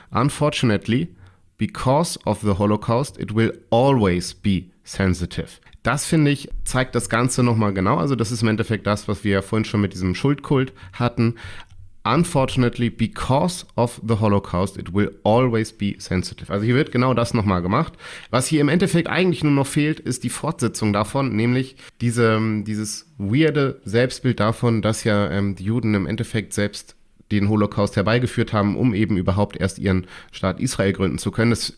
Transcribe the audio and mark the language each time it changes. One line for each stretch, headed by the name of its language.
English: Unfortunately, because of the Holocaust, it will always be sensitive.
German: Das, finde ich, zeigt das Ganze nochmal genau. Also das ist im Endeffekt das, was wir ja vorhin schon mit diesem Schuldkult hatten.
English: Unfortunately, because of the Holocaust, it will always be sensitive.
German: Also hier wird genau das nochmal gemacht. Was hier im Endeffekt eigentlich nur noch fehlt, ist die Fortsetzung davon, nämlich dieses weirde Selbstbild davon, dass ja die Juden im Endeffekt selbst den Holocaust herbeigeführt haben, um eben überhaupt erst ihren Staat Israel gründen zu können.